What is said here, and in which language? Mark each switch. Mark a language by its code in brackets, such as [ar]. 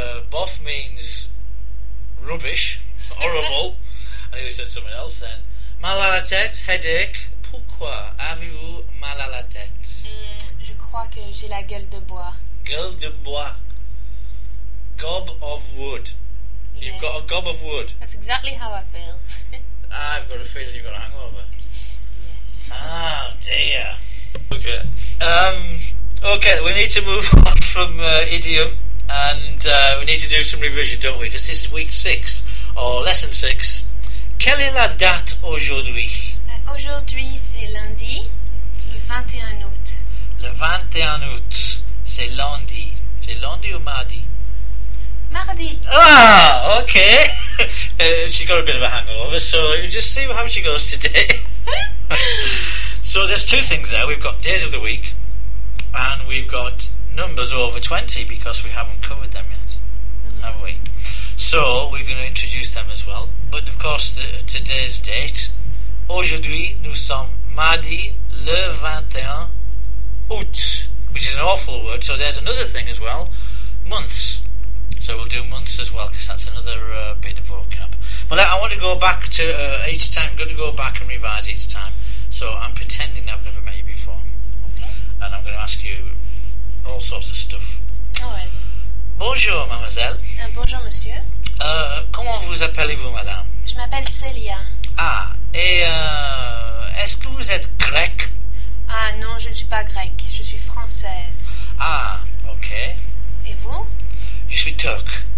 [en] Bof means rubbish, horrible. I think we said something else then. [fr] Mal à la tête, headache. Pourquoi avez-vous mal à la tête? Je crois que j'ai la gueule de bois. Gueule de bois. [en] Gob of wood. Yeah. You've got a gob of wood. That's exactly how I feel. I've got a feeling you've got a hangover. Yes. Ah, dear. Okay. Okay, we need to move on from idiom. And we need to do some revision, don't we? Because this is week 6, or lesson 6. [fr] Quelle est la date aujourd'hui? Aujourd'hui, c'est lundi, le 21 août. Le 21 août, c'est lundi. C'est lundi ou mardi? Mardi. Ah, ok. [en] She got a bit of a hangover, so you just see how she goes today. So there's two things there. We've got days of the week, and we've got numbers over 20, because we haven't covered them yet, have we? So we're going to introduce them as well. But of course, today's date, [fr] aujourd'hui, nous sommes mardi le 21 août, [en] which is an awful word. So there's another thing as well, months. So we'll do months as well, because that's another bit of vocab. But I want to go back to each time. I'm going to go back and revise each time. So I'm pretending that I've never met you before. Okay. And I'm going to ask you all sorts of stuff. [fr] Bonjour, mademoiselle. Bonjour, monsieur. Comment vous appelez-vous, madame? Je m'appelle Célia. Ah, et est-ce que vous êtes grec? Ah, non, je ne suis pas grec. Je suis française. Ah, ok. Et vous? Je suis turc.